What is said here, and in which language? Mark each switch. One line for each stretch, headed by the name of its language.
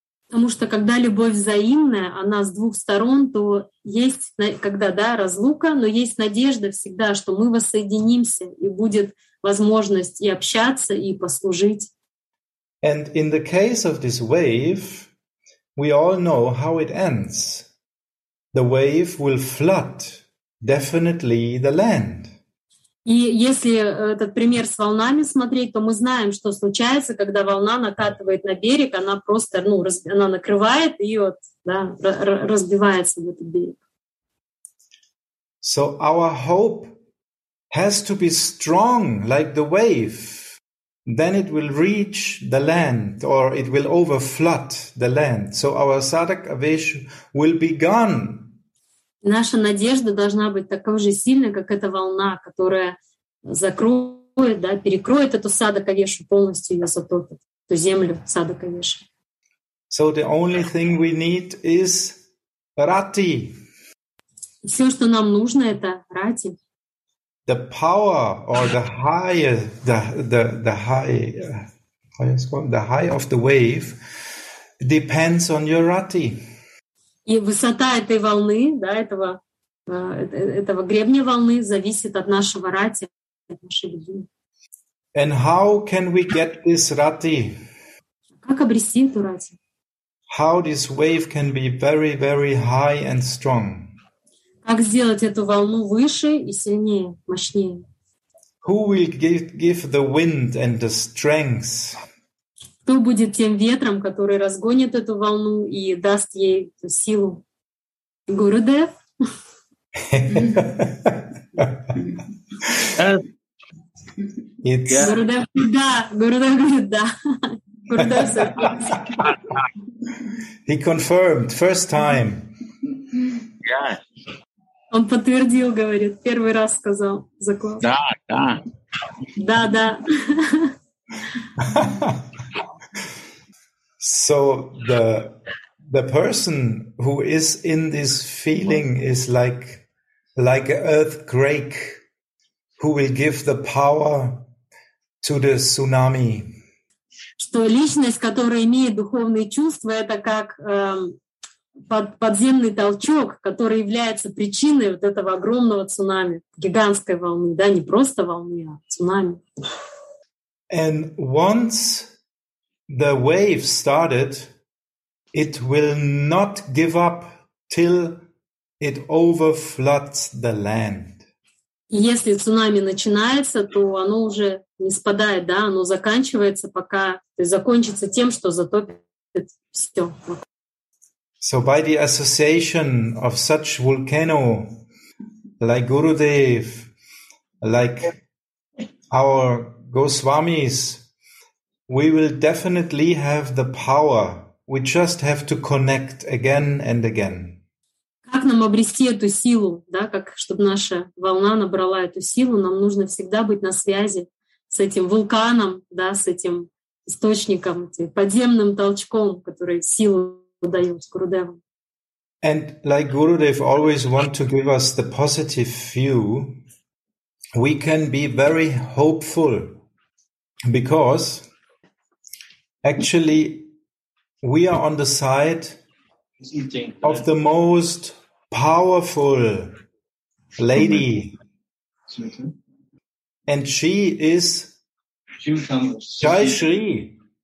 Russian: Потому что когда любовь взаимная, она с двух сторон, то есть когда, да, разлука, но есть надежда всегда, что мы воссоединимся и будет возможность и общаться, и послужить.
English: And in the case of this wave, we all know how it ends. The wave will flood definitely the land.
Russian: И если этот пример с волнами смотреть, то мы знаем, что случается, когда волна накатывает на берег, она просто, ну, она накрывает и вот, да, разбивается в этот берег.
English: So our hope has to be strong like the wave. Then it will reach the land, or it will overflood the land. So our Sadak Avesh will be gone.
Russian: Наша надежда должна быть такой же сильной, как эта волна, которая закроет, да, перекроет эту Sadak Avesh полностью, ее затопит, эту землю Sadak Avesh.
English: So the only thing we need is Rati.
Russian: Все, что нам нужно, это Rati.
English: The power or the high of the wave depends on your Rati.
Russian: И высота этой волны, да, этого гребня волны зависит от нашего Рати, от нашей любви.
English: And how can we get this Rati?
Russian: Как обрести эту Рати?
English: How this wave can be very, very high and strong?
Russian: Как сделать эту волну выше и сильнее, мощнее?
English: Who will give the wind and the strength?
Russian: Кто будет тем ветром, который разгонит эту волну и даст ей эту силу? Гуру Дев? Гуру Дев, да. Гуру Дев говорит, да. Гуру Дев все.
English: He confirmed, first time. Yes.
Russian: Он подтвердил, говорит, первый раз сказал. Закон. Да, да. Да, да.
English: So the person who is in this feeling is like an earthquake who will give the power to the tsunami.
Russian: Что личность, которая имеет духовные чувства, это как подземный толчок, который является причиной вот этого огромного цунами, гигантской волны, да, не просто волны, а цунами.
English: And once the wave started, it will not give up till it overfloods the land.
Russian: Если цунами начинается, то оно уже не спадает, да, оно заканчивается, пока, то есть закончится тем, что затопит все.
English: So by the association of such volcano, like Gurudev, like our Goswamis, We will definitely have the power. We just have to connect again and again.
Russian: Как нам обрести эту силу, да, как чтобы наша волна набрала эту силу, нам нужно всегда быть на связи с этим вулканом, да, с этим источником, этим подземным толчком, который силу дает Гурудеву.
English: And like Gurudev always want to give us the positive view, we can be very hopeful because actually we are on the side of the most powerful lady, and she is Jai Shri.